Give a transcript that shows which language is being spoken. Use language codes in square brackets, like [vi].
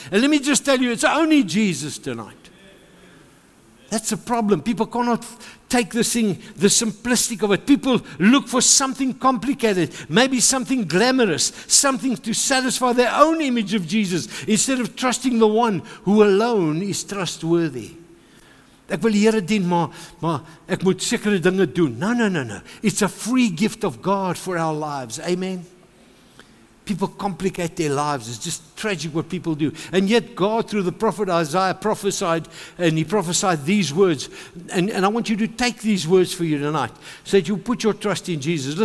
[en] And let me just tell you, it's only Jesus tonight. That's a problem. People cannot take this thing, the simplistic of it. People look for something complicated, maybe something glamorous, something to satisfy their own image of Jesus instead of trusting the one who alone is trustworthy. [af] Ek wil die Here dien, maar ek moet sekere dinge doen. [en] No. It's a free gift of God for our lives. Amen. People complicate their lives. It's just tragic what people do. And yet God, through the prophet Isaiah, prophesied, and he prophesied these words. And I want you to take these words for you tonight, so that you put your trust in Jesus.